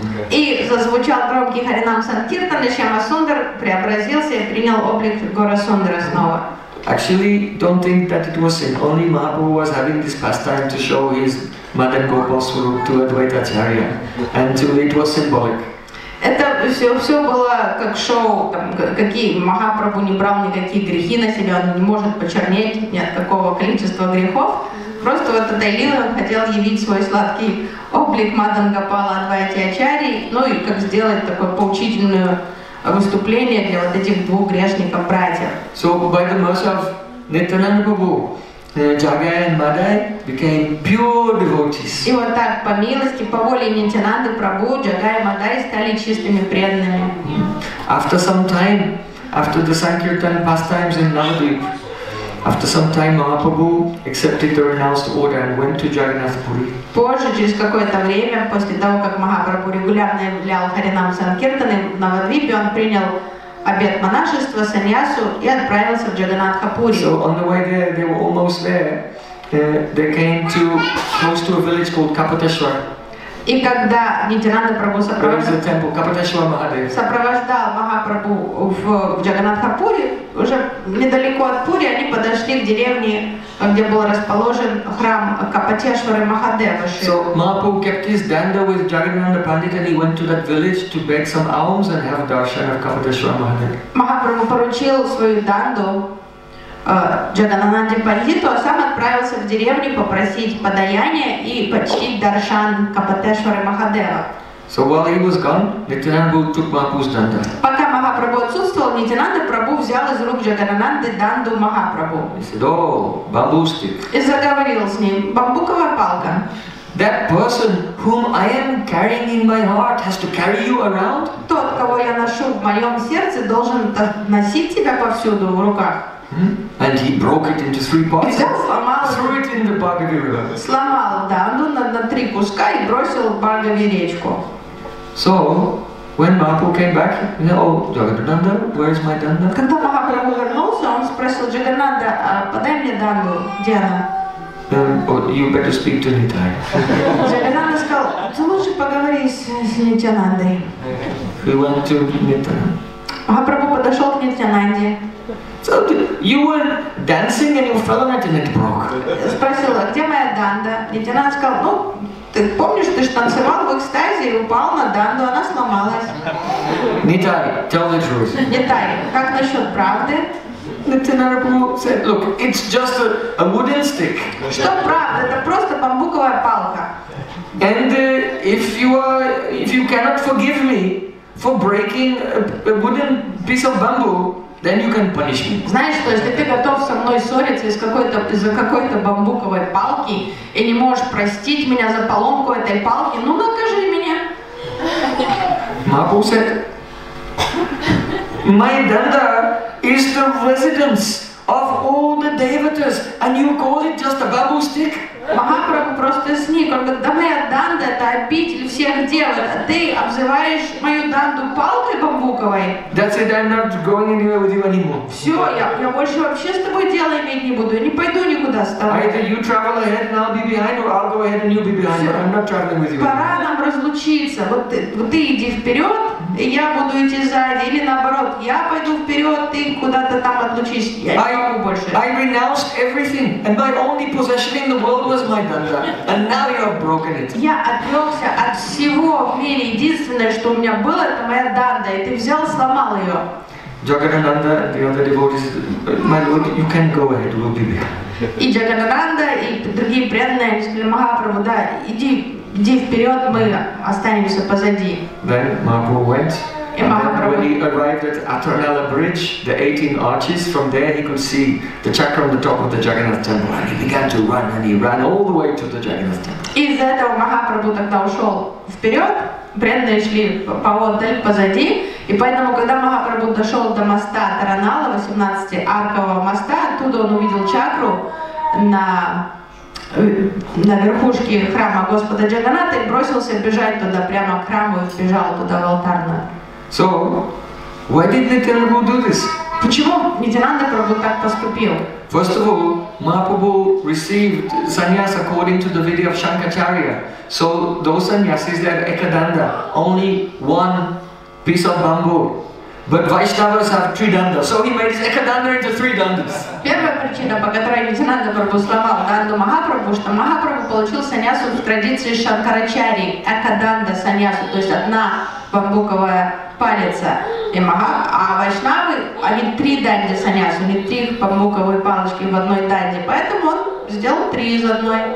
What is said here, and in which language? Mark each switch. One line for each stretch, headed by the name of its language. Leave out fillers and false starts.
Russian: И зазвучал громкий Харинам Санкиртан, и Шьяма Сундар преобразился и принял облик Гора Сундара снова.
English: Actually, don't think that it was sin. Only Mahaprabhu was having this pastime to show his Madan Gopal Swarup to Advaita Acharya, and to it was symbolic.
Russian: Это все было как шоу, там какие Махапрабху не брал никакие грехи на себя, он не может почернеть ни от какого количества грехов. Просто вот этой лилой хотел явить свой сладкий облик Мадан Гопала Адвайте Ачарьи, ну и как сделать такое поучительное выступление для вот этих двух грешников братьев.
English: So by the mercy of Nityananda Prabhu, Jagai and Madai became pure devotees.
Russian: И вот так по милости, по воле Нитянанды Прабху, Jagai и Madai стали чистыми преданными.
English: After some time, after the Sankirtan pastimes in Navadvip, after some time, Mahaprabhu accepted the renounced order and went to Jagannath Puri.
Russian: Позже, через какое-то время, после того, как Махапрабху регулярно являл Харинам Санкиртаны в Навадвипе, он принял обет монашества, саньясу и отправился в Джаганатха Пури.
English: So on the way there, they were almost there. They came to close to a village called Kapoteshwar.
Russian: И когда Нитянанда Прабху сопровождал Махапрабху в Джаганатхапуре, уже недалеко от Пури они подошли к деревне, где был расположен храм Капатешвары Махадева.
English: So Mahaprabhu kept his danda with Jagannanda Pandit and he went to that village to beg some alms and have darshan of Kapateshwara Mahadeva.
Russian: Махапрабху поручил свою данду Джагананде Пандиту, а сам отправился в деревню попросить подаяния и почтить даршан Капатешвары Махадева.
English: So while he was gone, Nityananda took Mahaprabhu's danda.
Russian: Пока Махапрабху отсутствовал, Нитянанда Прабху взял из рук Джагананды данду Махапрабху.
English: He said, oh, bamboostick.
Russian: И заговорил с ним, бамбуковая палка.
English: That person whom I am carrying in my heart has to carry you around?
Russian: Тот, кого я ношу в моем сердце, должен носить тебя повсюду в руках.
English: And he broke it into three parts.
Russian: Взял, сломал,
English: threw it in the Bhagavi River.
Russian: Сломал, да, ну на три куска и бросил в Бхагави речку.
English: So when Mahaprabhu came back, he said, "Oh, Jagannanda, where is my danda?"
Russian: Когда Махапрабху вернулся, он спросил Джагананда, подай мне данду, где она?
English: You better speak to Nitai.
Russian: Джагананда сказал, ты лучше поговори с Нитянандой.
English: He went to Nitai.
Russian: Махапрабху подошел к Нитянанде.
English: So you were dancing and you fell on it and it broke.
Russian: Спросила, где моя данда? Нитянанда сказал, ну, Ты помнишь, ты ж танцевал в экстазе и упал на Данду, она сломалась.
English: Не тари, tell the truth.
Russian: Не тари. Как насчет правды?
English: Look, it's just a wooden stick.
Russian: Что правда? Это просто бамбуковая палка.
English: And if you cannot forgive me for breaking a wooden piece of bamboo, then you can punish me.
Russian: Знаешь что, если ты готов со мной ссориться из-за какой-то бамбуковой палки и не можешь простить меня за поломку этой палки, ну накажи меня.
English: Mapu said, my danda is the residence of all the devatas, and you call it just a bamboo stick?
Russian: Махапрабху просто сник, он говорит, да моя данда это обитель всех девот, а ты обзываешь мою данду палкой бамбуковой?
English: That's it, I'm not going anywhere with you anymore.
Russian: Все, я больше вообще с тобой дела иметь не буду, я не пойду никуда с тобой.
English: Either you travel ahead and I'll be behind, or I'll go ahead and you'll be behind, but I'm not traveling with you.
Russian: Пора нам разлучиться, вот ты иди вперед, и я буду идти сзади, или наоборот, я пойду вперед, ты куда-то там отлучись, я не могу больше.
English: I renounced everything, and my only possession in the world was my danda, and now you have broken it.
Russian: Я отрекся от всего в мире, единственное, что у меня было, это моя данда, и ты взял, сломал ее.
English: Jagannanda, the other devotees, my lord, you can go ahead, we'll be there.
Russian: И Jagannanda, и другие преданные, сказали, Махапрабху, да, иди. Иди вперед, мы останемся позади.
English: Then Mahaprabhu went.
Russian: И Махапрабху.
English: When he arrived at Atarnala Bridge, the 18 arches, from there he could see the chakra on the top of the Jagannath temple, and he began to run, and he ran all the way to the Jagannath temple.
Russian: Из этого Махапрабху тогда ушел вперед, преданные шли по отель позади, и поэтому, когда Махапрабху дошел до моста Таранала, 18-аркового моста, оттуда он увидел чакру на верхушке храма Господа Джаганнатха и бросился бежать туда прямо к храму и бежал туда в алтарную.
English: So, why did Nityananda do this?
Russian: Почему Nityananda Prabhu так поступил?
English: First of all, Mahaprabhu received sannyas according to the vidya of Shankaracharya. So, those sannyasis they have ekadanda, only one piece of bamboo. But Vaishnavas have three dandas, so he made his ekadanda into three dandas.
Russian: Первая причина, по которой Nityananda Prabhu сломал данду Махапрабху, что Махапрабху получил саньясу в традиции Шанкарачари, экаданда саньясу, то есть одна бамбуковая палец. А Вайшнавы, они три данди саньясу, у них три бамбуковые палочки в одной данде, поэтому он сделал три из одной.